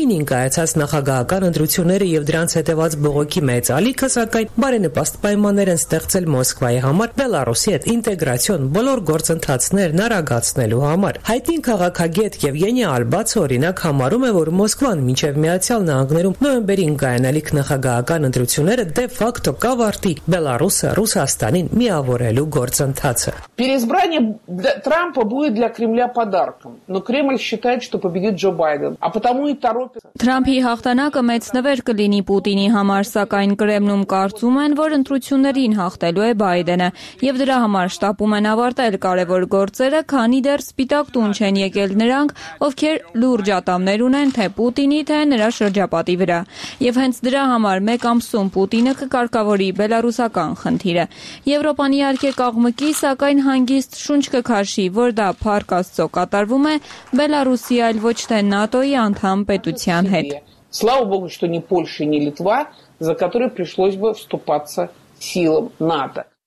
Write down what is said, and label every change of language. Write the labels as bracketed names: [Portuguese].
[Armenian] 9-ին կայացած նախագահական ընտրությունները և դրանց հետևած բողոքի մեծ ալիքը, սակայն, բարենպաստ պայմաններ են ստեղծել Մոսկվայի համար Բելարուսի հետ ինտեգրացիոն բոլոր գործընթացներն արագացնելու համար։ Հայտնի քաղաքագետ Եվգենի Ալբացը օրինակ համարում է, որ Մոսկվան մինչև Միացյալ Նահանգներում նոյեմբերին կայանալիք նախագահական ընտրությունները դե ֆակտո կավարտի Բելարուսը Ռուսաստանին միավորելու գործընթացը։ [Russian] Переизбрание Трампа будет для Кремля подарком, но Кремль считает, что победит Джо Байден, а потому и торопится. [Armenian] Трампի հաղթանակը մեծ նվեր կլինի Պուտինի համար, սակայն Կրեմլում կարծում են, որ ընտրություններին հաղթելու է Բայդենը, եւ դրա համար շտապում են ավարտել կարևոր գործերը, քանի դեռ Սպիտակ տուն չեն եկել նրանք, ովքեր լուրջ ատամներ ունեն թե Պուտինի, թե նրա շրջապատի վրա, եւ հենց դրա համար մեկ ամսում Պուտինը կկարգավորի Բելարուսական խնդիրը։ Եվրոպան իհարկե կաղմկի, սակայն հանգիստ շունչ կքաշի, որ դա փառք Աստծո կատարվում է Բելարուսի, այլ ոչ թե ՆԱՏՕ-ի անդամ պետության հետ։ [Russian] Слава богу, что не Польша, не Литва, за которые пришлось бы вступаться силам НАТО.